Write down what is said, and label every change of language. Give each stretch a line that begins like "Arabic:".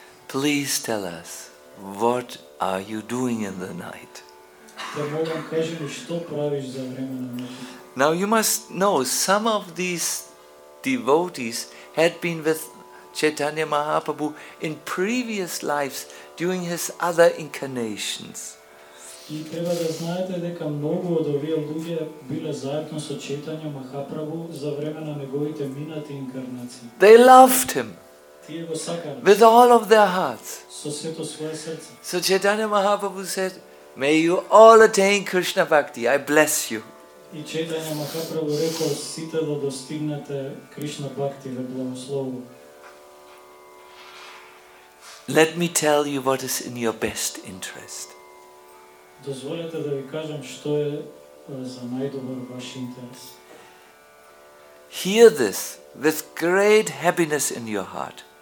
English: Please tell us, what are you doing in the night?
Macedonian: Да молам кажи ми што правиш за време на ноќ.
English: Now you must know some of these devotees had been with Chaitanya Mahaprabhu in previous lives during his other incarnations.
Macedonian: И треба да знаете дека многу од овие луѓе биле заедно со Чајтања Махапрабу за време на неговите минати инкарнации.
English: They loved him.
Macedonian: Тие го сакале.
English: With all of their hearts.
Macedonian: Со сето свое срце.
English: So Chaitanya Mahaprabhu said, "May you all attain Krishna bhakti. I bless you."
Macedonian: И Чајтања Махапрабу рекол сите да достигнете Кришна бхакти, ве благословувам.
English: Let me tell you what is in your best interest.
Macedonian: Дозволете да ви кажам што е за најдобро ваш интерес.
English: Hear this with great happiness in your heart.